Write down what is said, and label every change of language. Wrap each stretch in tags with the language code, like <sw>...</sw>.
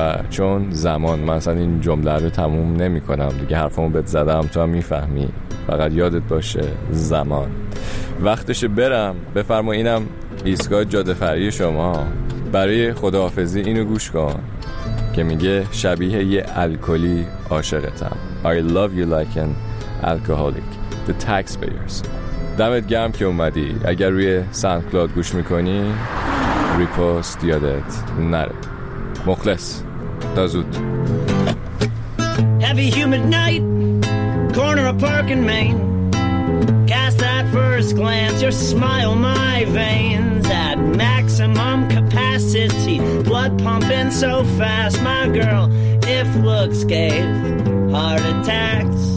<fa>چون زمان مثلا این جمله رو تموم نمی کنم دیگه، حرفامو بهت زدم، تو هم میفهمی. فقط یادت باشه زمان وقتشه برم. بفرما اینم ایستگاه جاده فرعی شما. برای خداحافظی اینو گوش کن که میگه شبیه یه الکلی عاشقتم.</fa> <en>I love you like an alcoholic.</en> <fa>The taxpayers. دمت گرم که اومدی. اگر روی سانت کلاد گوش میکنی ریپوست یادت نره. مخلص. تا زود.</fa> <en>Heavy humid night, corner of park in Maine. Cast that first glance, your smile my veins. At maximum capacity, blood pumping so fast. My girl, if looks gave heart attacks.</en>